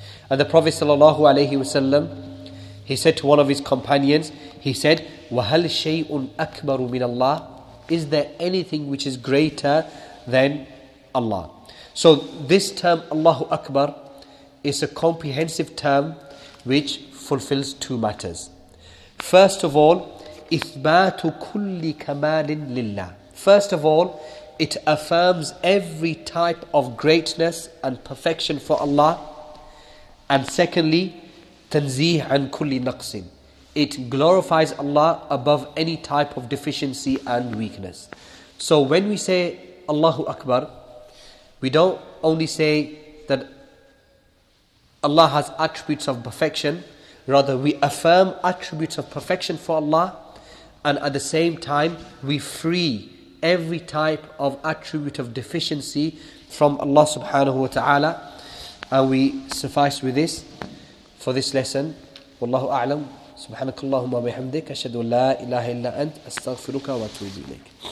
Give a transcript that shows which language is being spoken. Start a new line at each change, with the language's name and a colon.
English: And the Prophet sallallahu alayhi wasallam, he said to one of his companions, he said,
Arabic: وَهَلْ شَيْءٌ أَكْبَرُ مِنَ اللَّهِ.
English: Is there anything which is greater than Allah? So this term, Allahu Akbar, is a comprehensive term which fulfills two matters. First of all,
Arabic: إِثْبَاتُ كُلِّ كَمَالٍ لِلَّهِ.
English: First of all, it affirms every type of greatness and perfection for Allah. And secondly,
Arabic: تَنْزِيه عَنْ كُلِّ نَقْصٍ.
English: It glorifies Allah above any type of deficiency and weakness. So when we say Allahu Akbar, we don't only say that Allah has attributes of perfection, rather we affirm attributes of perfection for Allah, and at the same time we free every type of attribute of deficiency from Allah subhanahu wa ta'ala. And we suffice with this for this lesson.
Arabic: Wallahu a'lam. سبحانك اللهم وبحمدك أشهد أن لا إله إلا أنت أستغفرك وأتوب إليك.